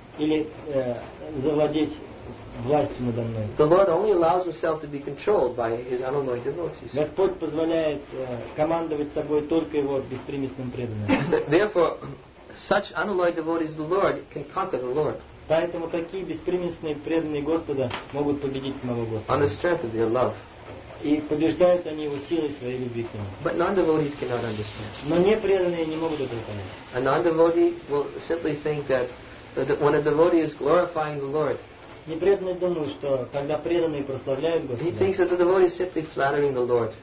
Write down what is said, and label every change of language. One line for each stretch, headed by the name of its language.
Russian: Или завладеть властью надо мной.
English: The Lord only allows himself to be controlled by his unalloyed devotees.
Russian: Господь позволяет командовать собой только его беспримесным преданным.
English: Therefore, such unalloyed devotees, the Lord can conquer the Lord.
Russian: Поэтому такие беспримесные преданные Господа могут победить самого Господа.
English: On the strength of their love.
Russian: И побеждают они его силой своей любви к нему.
English: But non-devotees cannot understand.
Russian: Но непреданные не могут этого понять.
English: A non-devotee will simply think that when a devotee is glorifying the Lord.
Russian: Непреданные думают, что когда преданные прославляют Господа,
English: he thinks that the devotee is simply flattering the Lord.